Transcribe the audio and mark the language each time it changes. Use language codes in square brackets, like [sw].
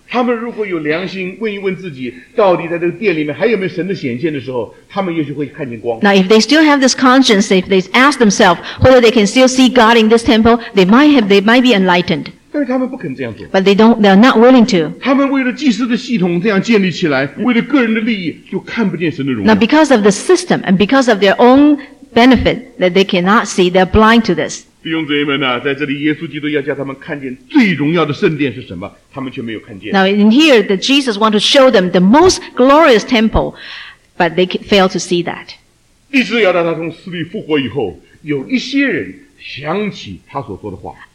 [zh] 他们如果有良心问一问自己，到底在这个殿里面还有没有神的显现的时候，他们也许会看见光。 [en] Now if they still have this conscience, if they ask themselves whether they can still see God in this temple, they might be enlightened. [zh] 但是他们不肯这样做。 [en] But they are not willing to. [zh] 他们为了祭司的系统这样建立起来，为了个人的利益，就看不见神的荣耀。 [en] Now because of the system and because of their own benefit that they cannot see, they're blind to this. [zh] 弟兄姊妹们啊，在这里耶稣基督要叫他们看见最荣耀的圣殿是什么，他们却没有看见。 [en] Now in here, the Jesus want to show them the most glorious temple, but they fail to see that. [zh] 一直要到他从死里复活以后，有一些人想起他所说的话。